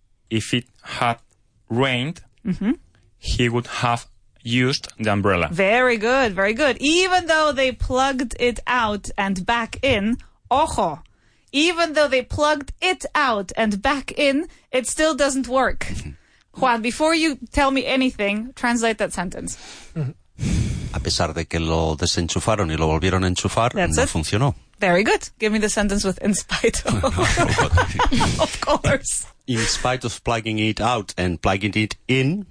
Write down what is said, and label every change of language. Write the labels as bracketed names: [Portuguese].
[English] If it had rained, mm-hmm. he would have used the umbrella. Very good, very good. Even though they plugged it out and back in, ojo, even though they plugged it out and back in, it still doesn't work. Juan, before you tell me anything, translate that sentence. [Spanish] A pesar de que lo desenchufaron y lo volvieron a enchufar, no funcionó. [English] Very good. Give me the sentence with in spite of. Of course. In spite of plugging it out and plugging it in.